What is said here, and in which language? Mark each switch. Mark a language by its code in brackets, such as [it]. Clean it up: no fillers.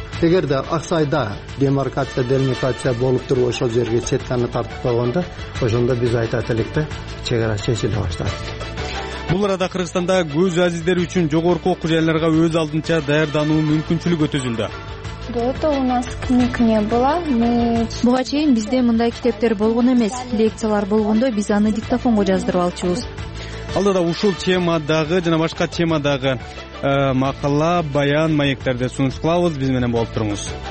[ky] Эгерде Аксайда демаркация, демаркация болуп туруп ошол жерге четканы тартып койгондо, ошондо биз айтат элек да, чекара чечиле баштайт. Бул арада Кыргызстанда көз азиздер үчүн жогорку окуу жайларга өз алдынча даярдануу мүмкүнчүлүгү өтүзүлдү. [ru] До этого у нас книг не было. [ky] Буга чейин бизде мындай китептер болгон эмес. Лекциялар болгондо биз аны диктофонго жаздырып алчубуз. Алдыда ушул темадагы жана башка темадагы макала, баян, маектерде сунуш кылабыз. Биз менен болуп туруңуз.